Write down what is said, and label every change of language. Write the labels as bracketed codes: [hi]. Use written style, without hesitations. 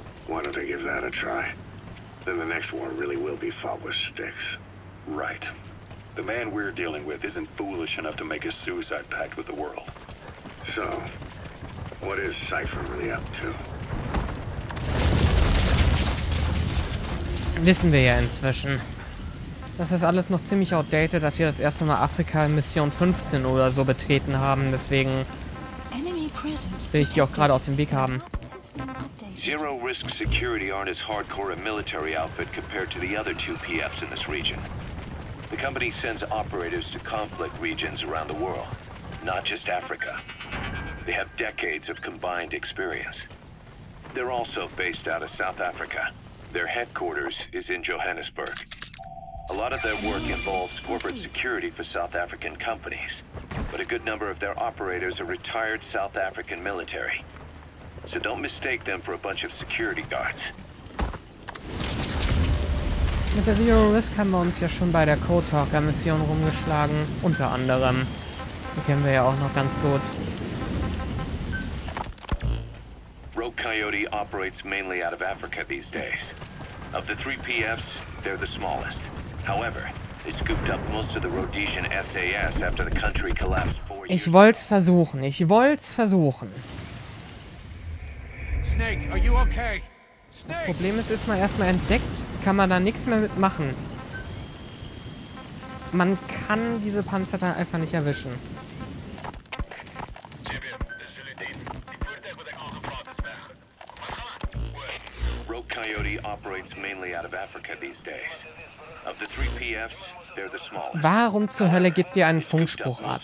[en] Why don't they give that a try? Then the next war really will be fought with sticks. Right. The man we're dealing with isn't foolish enough to make a suicide pact with the world. So, what is Cypher really up to? [de] Wissen wir ja inzwischen. Das ist alles noch ziemlich outdated, dass wir das erste Mal Afrika in Mission 15 oder so betreten haben, deswegen... [en] Enemy present. [de] will ich die auch gerade aus dem Weg haben. [en] Zero Risk Security aren't as hardcore a military outfit compared to the other two PFs in this region. The company sends operatives to conflict regions around the world, not just Africa. They have decades of combined experience. They're also based out of South Africa. Their headquarters is in Johannesburg. A lot of their work involves corporate security for South African companies, but a good number of their operators are retired South African military. So don't mistake them for a bunch of security guards. [de] Mit der Zero Risk haben wir uns ja schon bei der Codetalker-Mission rumgeschlagen, unter anderem. Die kennen wir ja auch noch ganz gut. [en] Rogue Coyote operates mainly out of Africa these days. Of the three PFs, they're the smallest. However, they scooped up most of the Rhodesian SAS after the country collapsed 4 years. [de] Ich wollte es versuchen. [en] Snake, are you okay? [de] Das Problem ist, ist man erstmal entdeckt, kann man da nichts mehr mitmachen. Man kann diese Panzer da einfach nicht erwischen. [en] Rogue Coyote operates mainly out of Africa these days. Of the three PFs, they're the smallest. [de] Warum zur Hölle gibt ihr einen Funkspruch ab?